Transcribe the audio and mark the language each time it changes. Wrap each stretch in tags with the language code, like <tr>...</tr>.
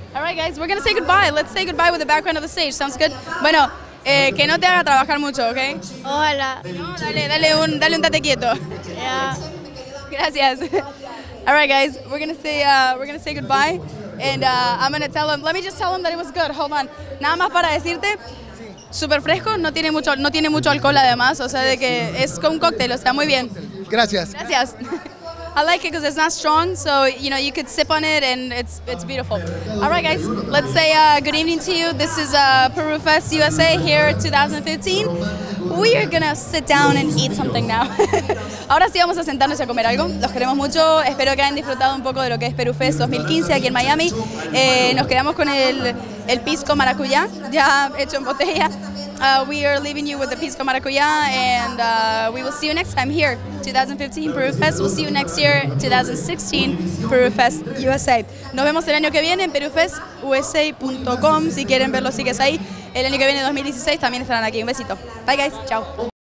<en>All right, guys, we're going to say goodbye. Let's say goodbye with the background of the stage. Sounds good?</en> <es>Bueno, que no te haga trabajar mucho, ¿ok? Hola. No, dale un date quieto.</es> <en>Yeah.</en> <es>Gracias.</es> <en>All right, guys, we're going to say goodbye. And I'm going to tell him, let me just tell him that it was good. Hold on.</en> <es>Nada más para decirte, súper fresco, no tiene mucho alcohol además. O sea, de que es como un cóctel, o sea, muy bien. Gracias. Gracias.</es> <en>I like it because it's not strong, so you know you could sip on it and it's beautiful. All right, guys, let's say good evening to you. This is Peru Fest USA here 2015. We are gonna sit down and eat something now.</en> <es>Ahora sí vamos a sentarnos a comer algo. Los queremos mucho. Espero que hayan disfrutado un poco de lo que es Peru Fest 2015 aquí en Miami. Nos quedamos con el pisco maracuyá ya hecho en botella.</es> <en>We are leaving you with the pisco maracuyá, and we will see you next time here, 2015 Peru Fest. We'll see you next year, 2016 Peru Fest USA.</en> <es>Nos vemos el año que viene en perufestusa.com. Si quieren ver los sigues ahí, el año que viene, 2016, también estarán aquí. Un besito.</es> <en>Bye, guys.</en> <es>Chao.</es>